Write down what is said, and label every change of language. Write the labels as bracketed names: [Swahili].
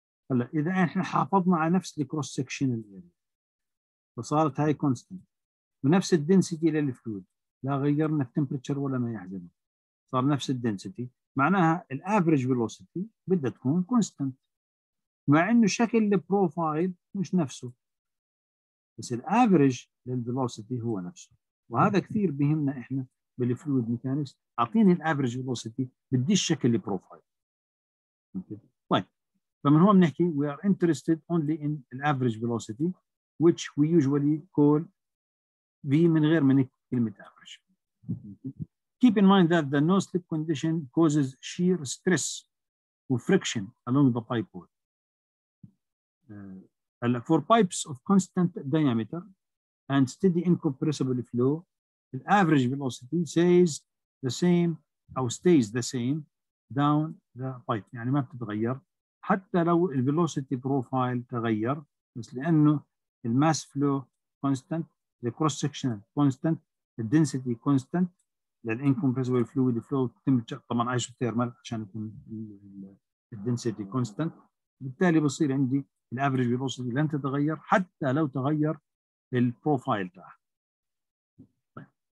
[Arabic] هلا اذا احنا حافظنا على نفس الكروس سكشن الاريا فصارت هاي كونستنت ونفس الدنسيتي للفلويد، لا غيرنا التمبرتشر ولا ما يحزنه، صار نفس الدنسيتي، معناها الافرج فيلوسيتي بدها تكون كونستنت، مع انه شكل البروفايل مش نفسه بس الافرج للفيلوسيتي هو نفسه، وهذا كثير بهمنا احنا بالفلويد ميكانكس. اعطيني الافرج فيلوسيتي، بدي شكل البروفايل. طيب فمن هون بنحكي [English] we are interested only in the average velocity which we usually call v [Arabic] من غير من كلمة [English] average. Keep in mind that the no slip condition causes shear stress or friction along the pipe wall. For pipes of constant diameter and steady incompressible flow, the average velocity stays the same or stays the same down the pipe. [Arabic] يعني ما بتتغير حتى لو الـ velocity profile تغير، بس لأنه الـ [English] mass flow constant، the cross section constant، the density constant، the incompressible fluid flow temperature، [Arabic] طبعاً isothermal عشان يكون الـ density constant، بالتالي بصير عندي الـ average velocity لن تتغير حتى لو تغير الـ profile تاعها. طيب.